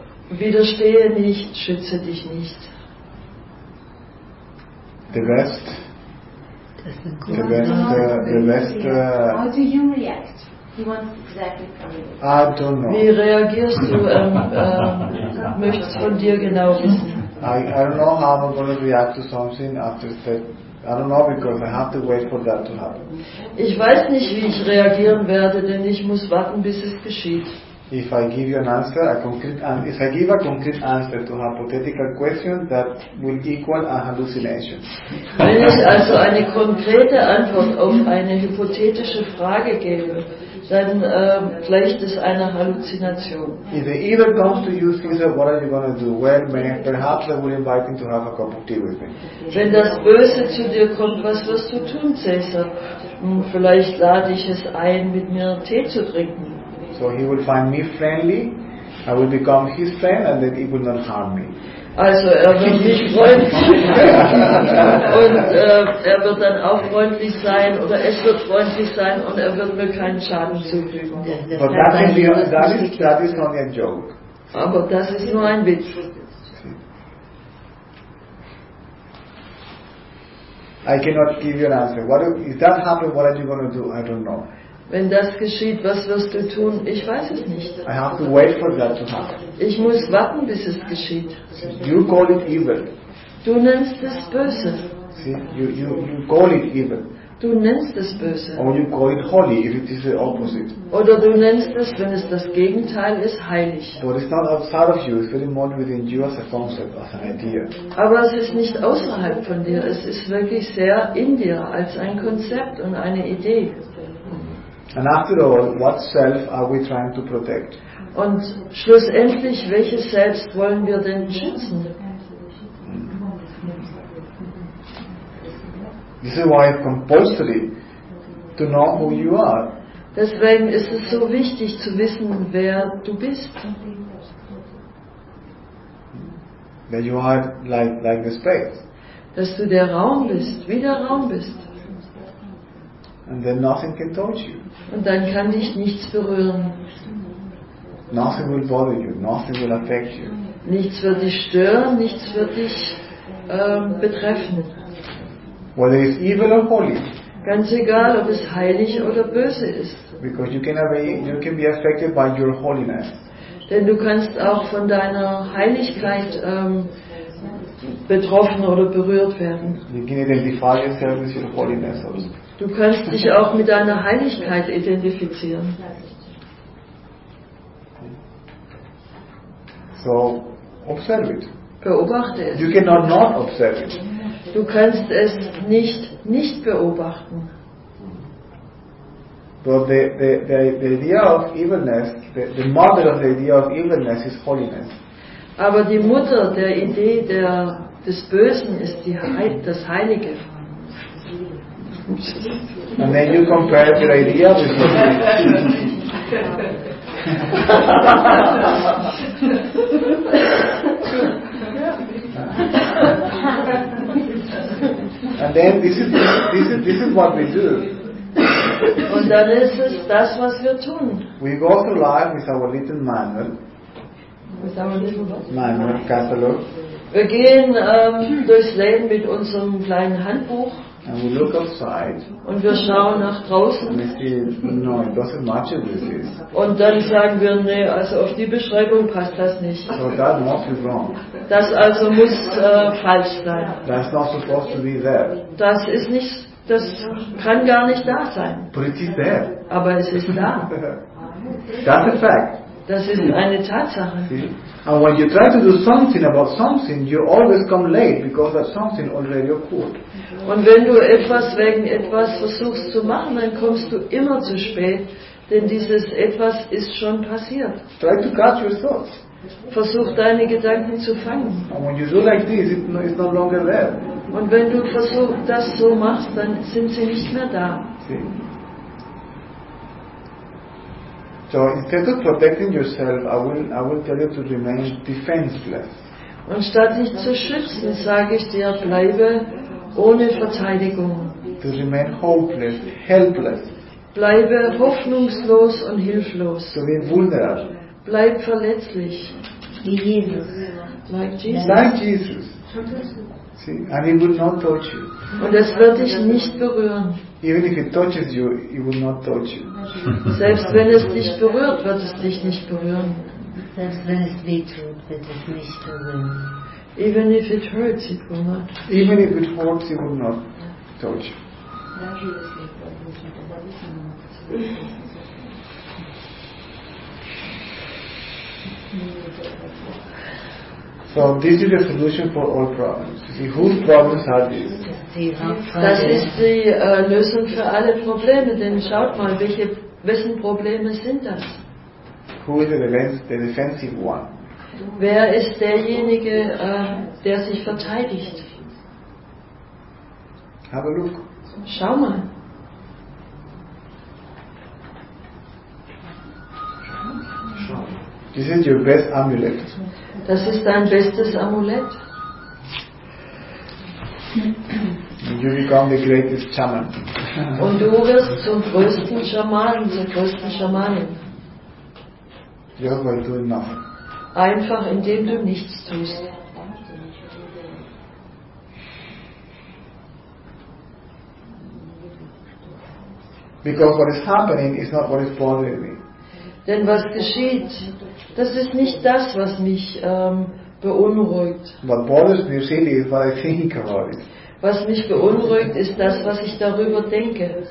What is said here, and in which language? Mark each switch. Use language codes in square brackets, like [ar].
[de] Widerstehe nicht, schütze dich nicht. [en] The best. How do you react? He wants exactly coming. I don't know. [de] Wie reagierst du? möchtest von dir genau wissen? [en] I don't know how I'm going to react to something after that. I don't know because I have to wait for that to happen. [de] Ich weiß nicht, wie ich reagieren werde, denn ich muss warten, bis es geschieht. [en] If I give you an answer, if I give a concrete answer to a hypothetical question, that will equal a hallucination. [de] Wenn ich also eine konkrete Antwort auf eine hypothetische Frage gebe, dann gleicht es einer Halluzination. [en] If they either come to you and say, what are you going to do? Well, man, perhaps I will invite him to have a cup of tea with me. [de] Wenn das Böse zu dir kommt, was wirst du tun, Cäsar? Vielleicht lade ich es ein, mit mir Tee zu trinken. [en] So he will find me friendly, I will become his friend, and then he will not harm me. [de] Also wird mich freundlich und wird dann auch freundlich sein, oder es wird freundlich sein, und wird mir keinen Schaden zufügen. [en] But that is only a joke. [de] Aber das ist nur ein Witz. [en] I cannot give you an answer. What if that happens, what are you going to do? I don't know. [de] Wenn das geschieht, was wirst du tun? Ich weiß es nicht. [en] I have to wait for that to happen. [de] Ich muss warten, bis es geschieht. [en] You call it evil. [de] Du nennst es Böse. [en] See, you call it evil. [de] Du nennst es Böse. [en] Or you call it holy, if it is the opposite. [de] Oder du nennst es, wenn es das Gegenteil ist, heilig. [en] But it's not outside of you, it's very much within you as a concept, as an idea. [de] Aber es ist nicht außerhalb von dir, es ist wirklich sehr in dir, als ein Konzept und eine Idee. [en] And after all, what self are we trying to protect? [de] Und schlussendlich, welches Selbst wollen wir denn schützen? [en] This is why it's compulsory to know who you are. [de] Deswegen ist es so wichtig zu wissen, wer du bist. [en] That you are like the space. [de] Dass du der Raum bist, wie der Raum bist. [en] And then nothing can touch you. [de] Und dann kann dich nichts berühren. [en] Nothing will bother you. Nothing will affect you. [de] Nichts wird dich stören. Nichts wird dich betreffen. [en] Whether it's evil or holy. [de] Ganz egal, ob es heilig oder böse ist. [en] Because you can be affected by your holiness. [de] Denn du kannst auch von deiner Heiligkeit betroffen oder berührt werden. [en] You can identify yourself with your holiness also. [de] Du kannst dich auch mit deiner Heiligkeit identifizieren. [en] So observe it. [de] Beobachte es. [en] You cannot not observe it. [de] Du kannst es nicht beobachten. [en] But the idea of evilness, the mother of the idea of evilness is holiness. [de] Aber die Mutter der Idee des Bösen ist das Heilige. [en] And then you compare the idea with the And then this is what we do. [de] Und dann ist es das, was wir tun. [en] We go through life with our little manual. With our little manual catalog. [de] Wir gehen durchs Leben mit unserem kleinen Handbuch. [en] And we look outside. [de] Und wir schauen nach draußen. [en] And we see, no, it doesn't match it with this. [de] Und dann sagen wir, nee, also auf die Beschreibung passt das nicht. [en] So that must be wrong. [de] Das also muss falsch sein. [en] That's not supposed to be there. [de] Das ist nicht, das kann gar nicht da sein. [en] But it is there. [de] Aber es ist da. [en] That's a fact. [de] Das ist eine Tatsache. [en] And when you try to do something about something, you always come late because that something already occurred. [de] Und wenn du etwas wegen etwas versuchst zu machen, dann kommst du immer zu spät, denn dieses etwas ist schon passiert. [en] Try to catch your thoughts. [de] Versuch deine Gedanken zu fangen. [en] And when you do like this, it's no longer there. [de] Und wenn du versuchst, das so machst, dann sind sie nicht mehr da. [en] So instead of protecting yourself, I will tell you to remain defenseless. [de] Und statt dich zu schützen, sage ich dir, bleibe ohne Verteidigung. [en] To remain hopeless, helpless. [de] Bleibe hoffnungslos und hilflos. [en] To be vulnerable. [de] Bleib verletzlich. [en] Like Jesus. See, and it will not touch you. [de] Und es wird dich nicht berühren. [en] Even if it touches you, it will not touch you. [de] Selbst wenn es dich berührt, wird es dich nicht berühren. Selbst wenn es wehtut, wird es nicht berühren. [en] Even if it hurts, it will not. Even if it hurts, it will not touch you. So this is the solution for all problems. See, whose problems are these? [de] Das ist die Lösung für alle Probleme, denn schaut mal, wessen Probleme sind das? [en] Who is the defensive one? [de] Wer ist derjenige, der sich verteidigt? [en] Have a look. [de] Schau mal. [en] This is your best amulet. [de] Das ist dein bestes Amulett. [en] You become the greatest shaman. [de] Und du wirst zum größten Schamanen, zur größten Schamanin. [en] Just by doing nothing. [de] Einfach indem du nichts tust. [en] Because what is happening is not what is bothering me. [de] Denn was geschieht, das ist nicht das, was mich beunruhigt. [en] What bothers me really is what I think about it. [de] Was mich beunruhigt, ist das, was ich darüber denke.